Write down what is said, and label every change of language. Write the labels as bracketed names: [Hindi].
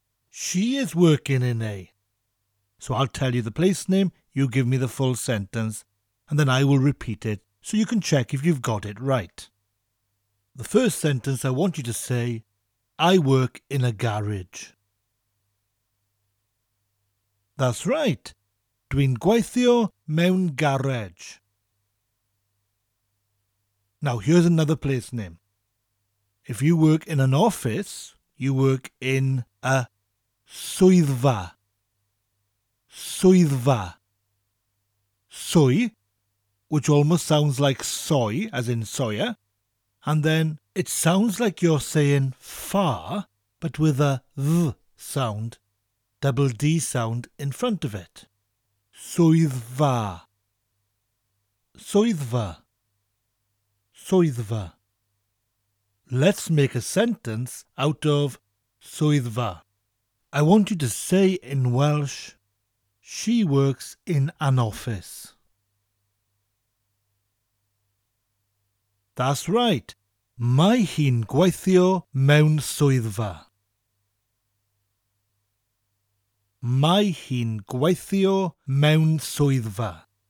[English] She is working in A. So I'll tell you the place name, you give me the full sentence, and then I will repeat it so you can check if you've got it right. The first sentence I want you to say, I work in a garage. That's right. [Welsh] Dwi'n gweithio mewn garage. [English] Now, here's another place name. If you work in an office, you work in a swyddfa. Swyddfa. Swy, which almost sounds like soy, as in soya. And then it sounds like you're saying far, but with a V sound, double D sound in front of it. [Welsh] Swyddfa. Swyddfa. Swyddfa. [English] Let's make a sentence out of swyddfa. I want you to say in Welsh, she works in an office. That's right. [Welsh] Mae hi'n gweithio mewn swyddfa. Mae hi'n gweithio mewn swyddfa.